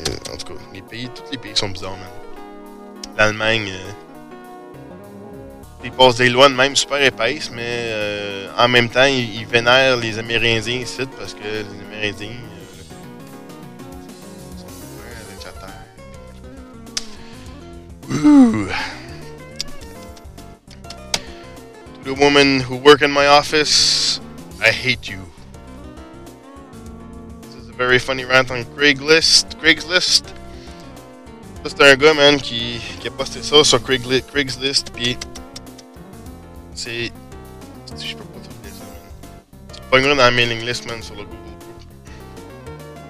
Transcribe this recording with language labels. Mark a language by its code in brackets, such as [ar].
[fr] En tout cas, les pays, tous les pays sont bizarres, man. L'Allemagne, ils passent des lois de même super épaisses, mais en même temps, ils vénèrent les Amérindiens ici parce que les Amérindiens sont loin avec la terre. [en] To the women who work in my office, I hate you. This is a very funny rant on Craigslist. [fr] C'est un gars, man, qui a posté ça sur Craigslist, pis c'est... Je peux pas trouver ça, man. C'est pas un gars dans la mailing list, man, sur le Google.